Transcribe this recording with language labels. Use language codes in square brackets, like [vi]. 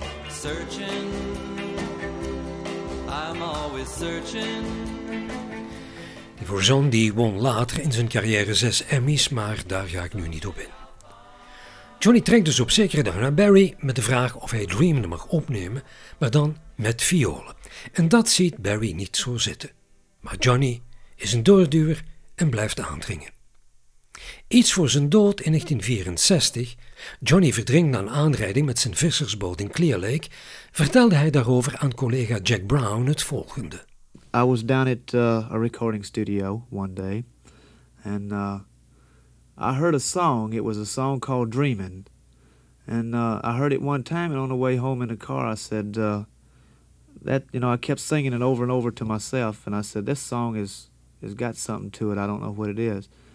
[en] Searching, I'm always searching. [nl] DeVorzaan die won later in zijn carrière 6 Emmys, maar daar ga ik nu niet op in. Johnny trekt dus op zekere dag naar Barry met de vraag of hij Dreamin' mag opnemen, maar dan met violen. En dat ziet Barry niet zo zitten. Maar Johnny is een doorduwer en blijft aandringen. Iets voor zijn dood in 1964, Johnny verdrinkt na een aanrijding met zijn vissersboot in Clear Lake, vertelde hij daarover aan collega Jack Brown het volgende. [en] I was down at a recording studio one day and I heard a song. It was a song called Dreamin'. And I heard it one time and on the way home in the car I said I kept singing it over and over to myself and I said this song has got something to it. I don't know what it is.